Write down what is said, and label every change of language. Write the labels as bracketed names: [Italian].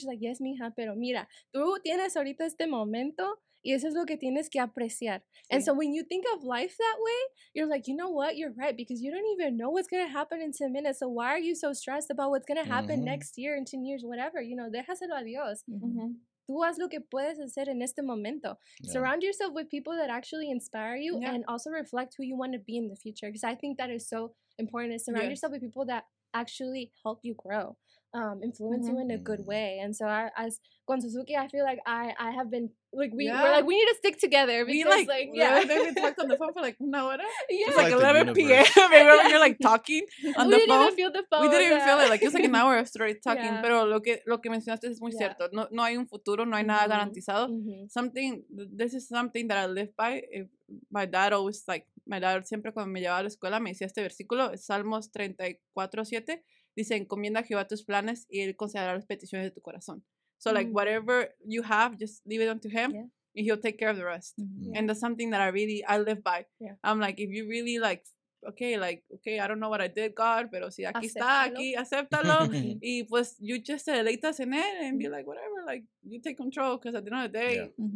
[Spanish] She's like, yes, mija, pero mira, tú tienes ahorita este momento y eso es lo que tienes que apreciar. Sí. [English] And so when you think of life that way, you're like, you know what? You're right, because you don't even know what's gonna happen in 10 minutes. So why are you so stressed about what's gonna happen mm-hmm. next year, in 10 years, whatever? You know, [Spanish] déjaselo a Dios. [English] Mm-hmm. [Spanish] Tú haz lo que puedes hacer en este momento. [English] Yeah. Surround yourself with people that actually inspire you yeah. and also reflect who you want to be in the future. Because I think that is so important, is surround yes. yourself with people that actually help you grow, influence mm-hmm. you in a good way. And so con Suzuki, I feel like I have been, like, we're like, we need to stick together. Because, we talked on the phone for, like, an hour. Yeah. It was, like 11 p.m. You're, like, talking on the phone. We didn't even feel the phone. Feel it. Like, it was, like, an hour of straight talking. [Spanish] Yeah. Pero lo que mencionaste es muy yeah. cierto. No hay un futuro. No hay mm-hmm. nada garantizado. Mm-hmm. [English] This is something that I live by. [Spanish] My dad siempre cuando me llevaba a la escuela me decía este versículo. Salmos 34:7. Dice, encomienda a Jehová tus planes y él considerará las peticiones de tu corazón. [English] So, like, mm-hmm. whatever you have, just leave it unto him, yeah. and he'll take care of the rest. Mm-hmm. Yeah. And that's something that I live by. Yeah. I'm like, if you really, like, okay, I don't know what I did, God, [Spanish] pero si aquí acéptalo. Está, aquí, acéptalo. Y pues, [English] you just [Spanish] deleitas en él, [English] and be like, whatever, like, you take control, because at the end of the day, yeah. mm-hmm.